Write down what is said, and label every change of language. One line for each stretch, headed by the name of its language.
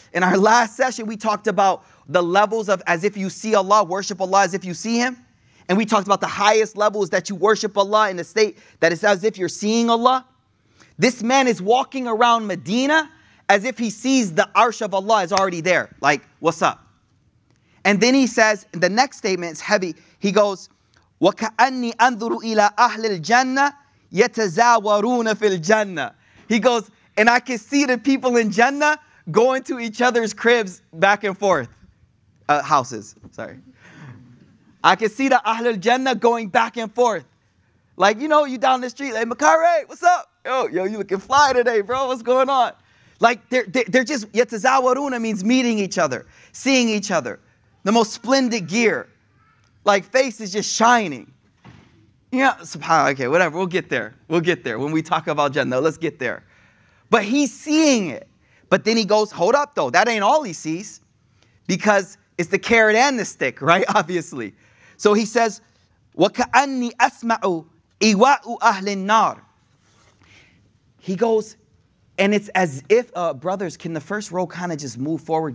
English: In our last session, we talked about the levels of as if you see Allah, worship Allah as if you see him. And we talked about the highest levels that you worship Allah in a state that it's as if you're seeing Allah. This man is walking around Medina as if he sees the arsh of Allah is already there. Like, what's up? And then he says, the next statement is heavy. He goes,
Arabic: وَكَأَنِّي أَنْظُرُ إِلَىٰ أَهْلِ الْجَنَّةِ يَتَزَاوَرُونَ فِي الْجَنَّةِ.
English: He goes, and I can see the people in Jannah going to each other's cribs back and forth. Houses, sorry. I can see the Ahl al-Jannah going back and forth. Like, you know, you down the street, like, Makare, what's up? Yo, you looking fly today, bro, what's going on? Like, they're just, yatazawaruna means meeting each other, seeing each other. The most splendid gear. Like, face is just shining. Yeah, subhanAllah, okay, whatever, we'll get there. When we talk about Jannah, let's get there. But he's seeing it. But then he goes, hold up though, that ain't all he sees. Because it's the carrot and the stick, right? Obviously. So he says,
Arabic: وَكَأَنِّي أَسْمَعُ إِوَاءُ أَهْلِ النَّارِ.
English: He goes, and it's as if, brothers, can the first row kind of just move forward?